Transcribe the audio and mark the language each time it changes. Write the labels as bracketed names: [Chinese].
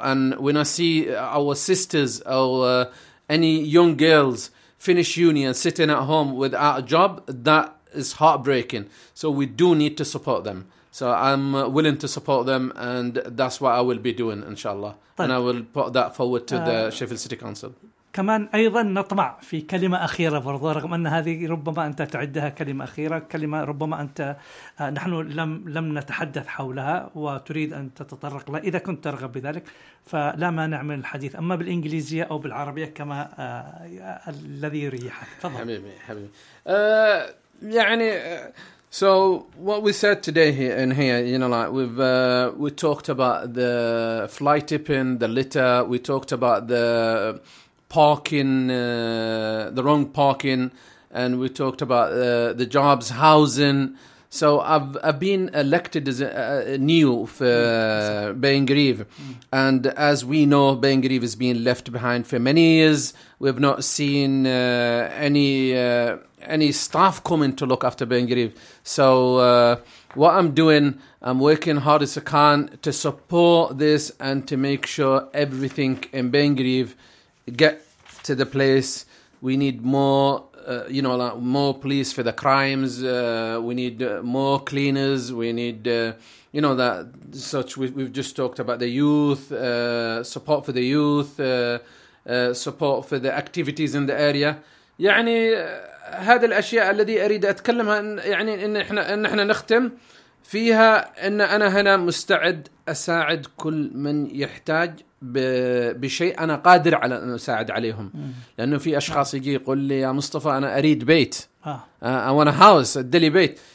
[English] And when I see our sisters or any young girls finish uni and sitting at home without a job, that is heartbreaking. So we do need to support them. So I'm willing to support them and that's what I will be doing, inshallah. And I will put that forward to the Sheffield City Council. [Arabic] كمان أيضا نطمع في كلمة أخيرة برضو، رغم أن هذه ربما أنت تعدها كلمة أخيرة، كلمة ربما أنت نحن لم نتحدث حولها وتريد أن تتطرق لها إذا كنت ترغب بذلك، فلا ما نعمل الحديث أما بالإنجليزية أو بالعربية كما الذي يريحك. فضل. حبيبي يعني [English] so what we said today here and here, you know, like we talked about the fly tipping, the litter, we talked about the parking, the wrong parking, and we talked about the jobs, housing. So I've been elected as a new for Bain Grieve. And as we know, Bain Grieve has been left behind for many years. We've not seen any staff coming to look after Bain Grieve. So what I'm doing, I'm working hard as I can to support this and to make sure everything in Bain Grieve get to the place. We need more you know, like more police for the crimes, we need more cleaners, we need you know, that such we've just talked about the youth, support for the youth, support for the activities in the area. [Arabic] يعني هذه الاشياء التي اريد اتكلمها، يعني ان احنا نختم فيها، ان انا هنا مستعد اساعد كل من يحتاج بشيء أنا قادر على أن أساعد عليهم. لأنه في أشخاص يجي يقول لي يا مصطفى أنا أريد بيت، [English] I want a house، [Arabic] أدلي بيت.